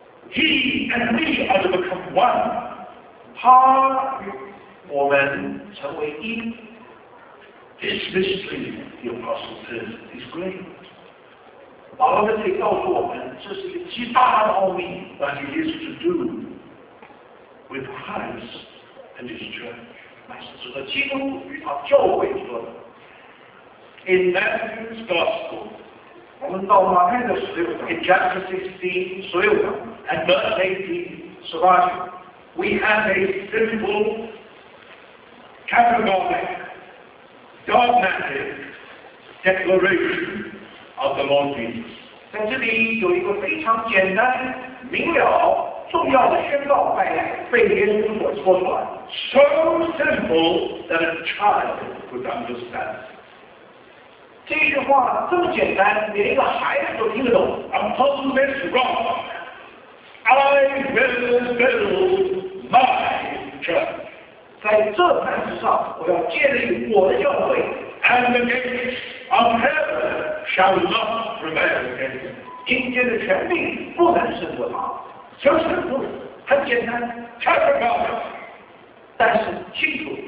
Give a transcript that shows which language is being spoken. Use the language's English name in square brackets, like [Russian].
[English] He and we are to become one. [Chinese] 他与我们成为一。 [English] This mystery, the apostle says, is great. [Chinese] 保罗在这里告诉我们，这是一个极大的奥秘。 [English] But it is to do with Christ and His church. [Chinese] 乃是指的基督与他教会说的。 [English] In Matthew's Gospel, [Chinese] 我们到马太的十六章 [English] ，in chapter 16, [Chinese] 十六章 [English] ，and verse 18, [Chinese] 十八节 [English] ，we have a simple, categorical, dogmatic declaration. Of the Lord Jesus. [Chinese] 在这里有一个非常简单、明了、重要的宣告，被耶稣所说出来。 [English] So simple that a child could understand. [Chinese] 这句话这么简单，连一个孩子都听得懂。 [English] Upon this rock, I will build my church. [Chinese] 在这磐石上，我要建立我的教会。 [English] And the gates of heaven. Shall not prevail against him. [Chinese] 阴间的权柄不能胜过他。就是不，很简单。 [English] Categorical， [Chinese] 但是清楚。